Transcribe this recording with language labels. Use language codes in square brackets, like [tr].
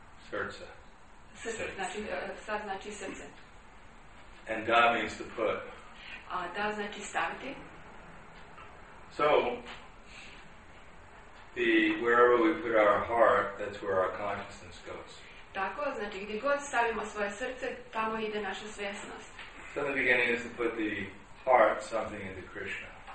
[hr] Srce. Sad znači srce. [en] And da means to put. [hr] Da znači staviti. [en] So, the wherever we put our heart, that's where our consciousness goes. [hr] Tako, znači gdje god stavimo svoje srce, tamo ide naša svjesnost. [en] So the beginning is to put the heart something into Krishna.